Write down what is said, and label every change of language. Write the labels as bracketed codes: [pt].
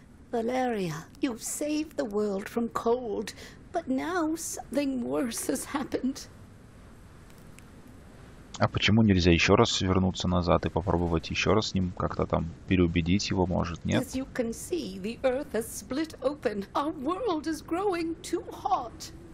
[en] Valeria, you've saved the world from cold, but now something worse has happened. [ru] А почему нельзя еще раз вернуться назад и попробовать еще раз с ним как-то там переубедить его, может, нет? [en] As you can see, the earth has split open. Our world is growing too hot.